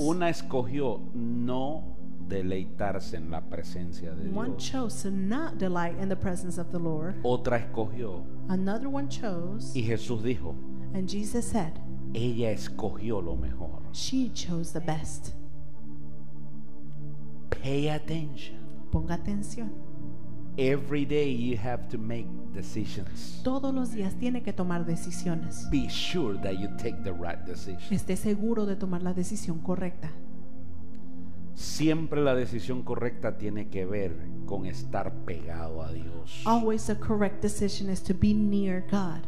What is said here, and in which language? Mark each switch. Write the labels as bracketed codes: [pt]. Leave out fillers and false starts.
[es] Una escogió no deleitarse en la presencia de Dios. [en] One chose to not delight in the presence of the Lord. [es] Otra escogió. [en] Another one chose. [es] Y Jesús dijo. [en] And Jesus said. [es] Ella escogió lo mejor. [en] She chose the best. Pay attention. [es] Ponga atención. [en] Every day you have to make decisions. [es] Todos los días tiene que tomar decisiones. [en] Be sure that you take the right decision. [es] Esté seguro de tomar la decisión correcta. Siempre la decisión correcta tiene que ver con estar pegado a Dios. [en] Always the correct decision is to be near God.